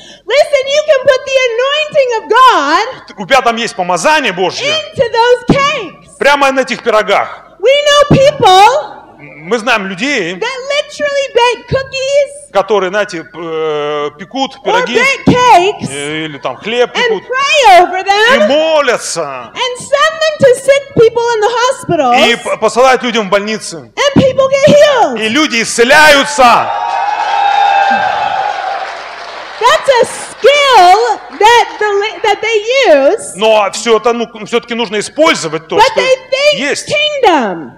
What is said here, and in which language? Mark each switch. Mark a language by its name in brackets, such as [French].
[English] Listen, you can put the anointing of God. [Russian] У тебя там есть помазание Божье. [English] Into those cakes. [Russian] Прямо на этих пирогах. [English] We know people. [Russian] Мы знаем людей. [English] That literally bake cookies. [Russian] Которые, знаете, пекут пироги. [English] Or bake cakes. [Russian] Или там хлеб пекут. [English] And pray over them. [Russian] И молятся. [English] And send them to sick people in the hospitals. [Russian] И посылают людям в больницы. [English] And people get healed. [Russian] И люди исцеляются. [English] That's a skill that they use. [Russian] Но все это, ну, все-таки нужно использовать то, что есть. [English] Kingdom.